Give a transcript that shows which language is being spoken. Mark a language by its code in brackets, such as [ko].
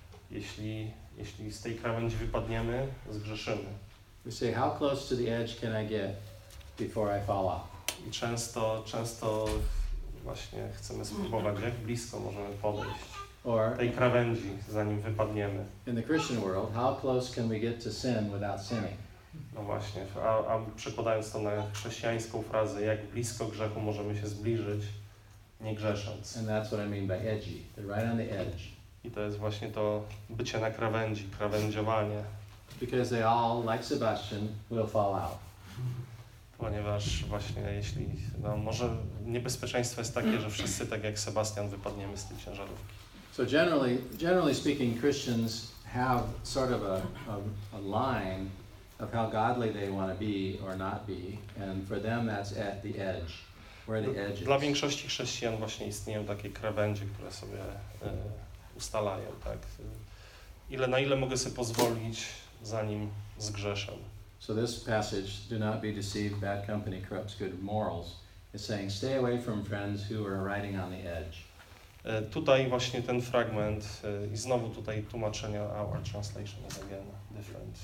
[pl] Jeśli z tej krawędzi wypadniemy, zgrzeszymy. [en] We say, how close to the edge can I get before I fall off? [pl] I często właśnie chcemy spróbować, jak blisko możemy podejść tej krawędzi, zanim wypadniemy. [en] In the Christian world, how close can we get to sin without sinning? [pl] No właśnie, a przekładając to na chrześcijańską frazę, jak blisko grzechu możemy się zbliżyć, nie grzesząc. [en] And that's what I mean by edgy, they're right on the edge. [pl] I to jest właśnie to bycie na krawędzi, krawędziowanie. [en] Because they all, like Sebastian, will fall out. [pl] Ponieważ właśnie jeśli, no może niebezpieczeństwo jest takie, że wszyscy tak jak Sebastian wypadniemy z tej ciężarówki. [en] So generally speaking, Christians have sort of a line of how godly they want to be or not be, and for them that's at the edge, where the edge is. [pl] Dla większości chrześcijan właśnie istnieją takie krawędzie, które sobie ustalają, tak? Ile, na ile mogę sobie pozwolić, zanim zgrzeszę. [en] So this passage, do not be deceived, bad company corrupts good morals, is saying stay away from friends who are riding on the edge. [pl] Tutaj właśnie ten fragment i znowu tutaj tłumaczenie, [en] our translation is again different.